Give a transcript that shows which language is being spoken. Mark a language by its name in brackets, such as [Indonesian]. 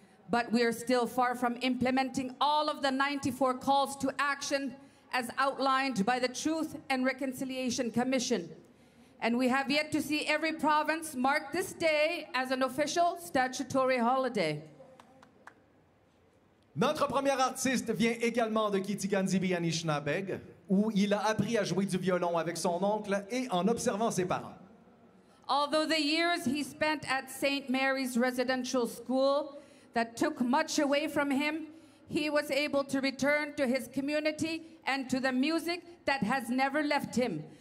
[English] But we are still far from implementing all of the 94 calls to action as outlined by the Truth and Reconciliation Commission. And we have yet to see every province mark this day as an official statutory holiday. [French] Notre premier artiste vient également de Kitiganzibi Anishinaabeg, où il a appris à jouer du violon avec son oncle et en observant ses parents. [English] Although the years he spent at St. Mary's Residential School that took much away from him, he was able to return to his community and to the music that has never left him.